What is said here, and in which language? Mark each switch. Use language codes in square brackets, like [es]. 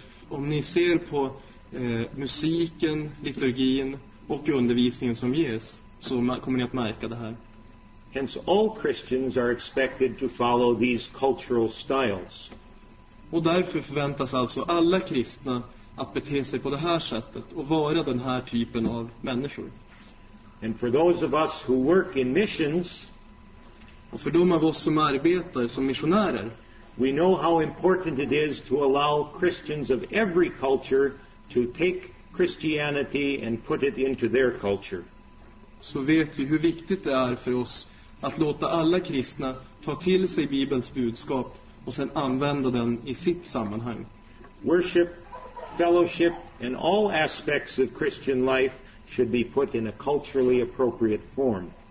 [sv] Om ni ser på musiken, liturgin och undervisningen som ges, så kommer ni att märka det här. [en] Hence all Christians are expected to follow these cultural styles. [sv] Och därför förväntas alltså alla kristna att bete sig på det här sättet och vara den här typen av människor. [en] And for those of us who work in missions, [sv] och för de av oss som arbetar som missionärer, [en] we know how important it is to allow Christians of every culture to take Christianity and put it into their culture. [sv] Så vet vi hur viktigt det är för oss att låta alla kristna ta till sig Bibelns budskap och sen använda den i sitt sammanhang. [en] Worship, fellowship and all aspects of Christian life should be put in a culturally appropriate form.